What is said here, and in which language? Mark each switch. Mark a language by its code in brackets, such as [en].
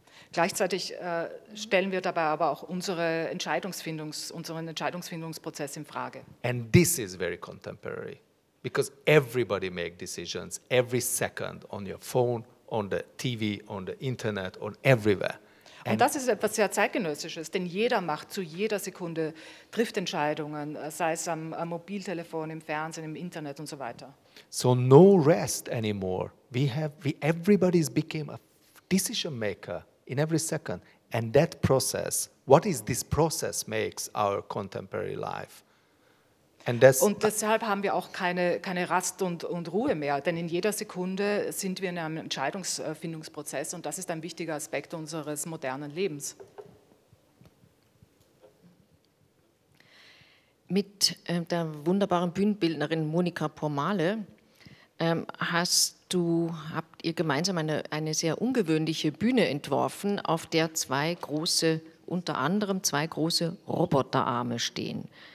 [de] Gleichzeitig stellen wir dabei aber auch unseren Entscheidungsfindungsprozess in Frage. [en] And this is very contemporary. Because everybody makes decisions every second on your phone, on the TV, on the internet, on everywhere. [de] Und das ist etwas sehr Zeitgenössisches, denn jeder macht zu jeder Sekunde, trifft Entscheidungen, sei es am Mobiltelefon, im Fernsehen, im Internet und so weiter. [en] So no rest anymore. Everybody became a decision maker in every second. And that process, what is this process makes our contemporary life? [de] Und deshalb haben wir auch keine Rast und Ruhe mehr, denn in jeder Sekunde sind wir in einem Entscheidungsfindungsprozess und das ist ein wichtiger Aspekt unseres modernen Lebens. Mit der wunderbaren Bühnenbildnerin Monika Pormale habt ihr gemeinsam eine sehr ungewöhnliche Bühne entworfen, auf der unter anderem zwei große Roboterarme stehen.